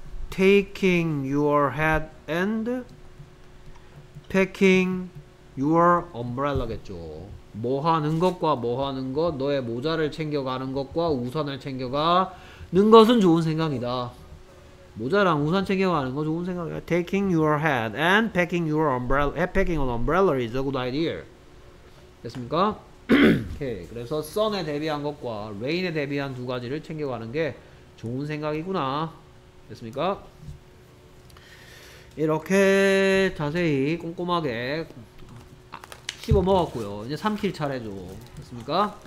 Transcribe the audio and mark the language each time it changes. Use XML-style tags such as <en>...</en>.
<en>Taking your hat and packing your umbrella겠죠.</en> <ko>뭐 하는 것과 뭐 하는 것, 너의 모자를 챙겨가는 것과 우산을 챙겨가는 것은 좋은 생각이다. 모자랑 우산 챙겨가는 거 좋은 생각이야.</ko> <en>Taking your hat and packing your umbrella, packing an umbrella is a good idea.</en> <ko>됐습니까? 오케이. 그래서 sun에 대비한 것과 rain에 대비한 두 가지를 챙겨가는 게 좋은 생각이구나. 됐습니까? 이렇게 자세히 꼼꼼하게 씹어 먹었고요. 이제 삼킬 차례죠. 됐습니까?</ko>